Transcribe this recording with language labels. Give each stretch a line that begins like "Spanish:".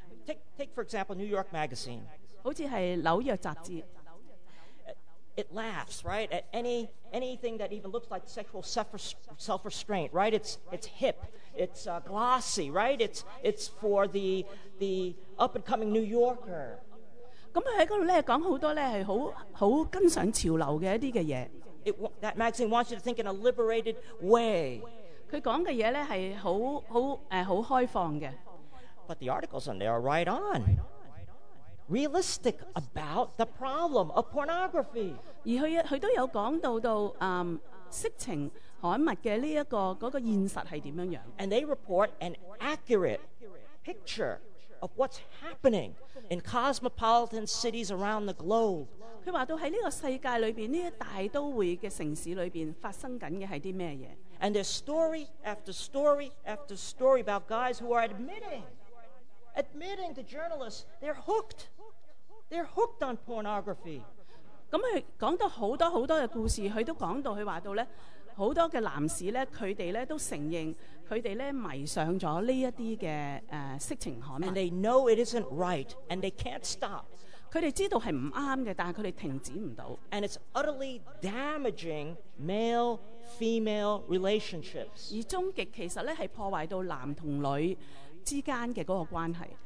English: Take for example, New York Magazine.
Cantonese: 好似係紐約雜誌。
English: It laughs, right, at anything that even looks like sexual self-restraint, right? It's hip, it's glossy, right? It's for the up-and-coming New Yorker.
Cantonese: 咁喺嗰度咧講好多咧係好跟上潮流嘅一啲嘅嘢。
English: That magazine wants you to think in a liberated way.
Cantonese: 佢講嘅嘢咧係好開放嘅。
English: But the articles on there are right on. Realistic about the problem of pornography.
Cantonese: 而佢都有講到色情刊物嘅呢一個嗰個現實係點樣樣。
English: And they report an accurate picture of what's happening in cosmopolitan cities around the globe.
Cantonese: 佢話到喺呢個世界裏邊，呢啲大都會嘅城市裏邊發生緊嘅係啲咩嘢
English: And there's story after story after story about guys who are admitting to journalists they're hooked. They're hooked on pornography.
Cantonese: 咁佢講到好多好多嘅故事，佢都講到佢話到咧，好多嘅男士咧，佢哋咧都承認佢哋咧迷上咗呢一啲嘅色情刊物。
English: And they know it isn't right, and they can't stop.
Cantonese: 佢哋知道係唔啱嘅，但係佢哋停止唔到。
English: And it's utterly damaging male-female relationships.
Cantonese: 而終極其實咧係破壞到男同女之間嘅嗰個關係。